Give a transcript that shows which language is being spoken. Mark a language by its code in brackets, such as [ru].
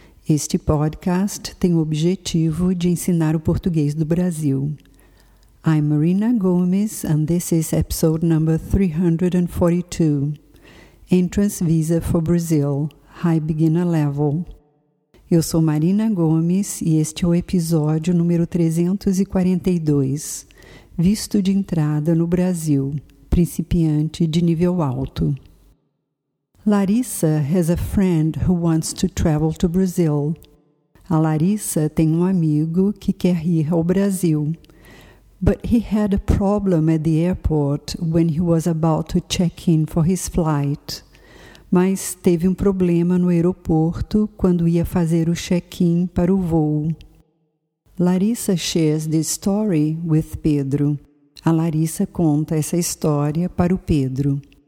[pt] Este podcast tem o objetivo de ensinar o português do Brasil. [en] I'm Marina Gomes, and this is episode number 342. Entrance Visa for Brazil, High Beginner Level. [pt] Eu sou Marina Gomes e este é o episódio número 342. Visto de entrada no Brasil, principiante de nível alto. [en] Larissa has a friend who wants to travel to Brazil. [pt] A Larissa tem um amigo que quer ir ao Brasil. [en] But he had a problem at the airport when he was about to check in for his flight. [pt] Mas teve um problema no aeroporto quando ia fazer o check-in para o voo. [en] Larissa shares this story with Pedro. [pt] A Larissa conta essa história para o Pedro.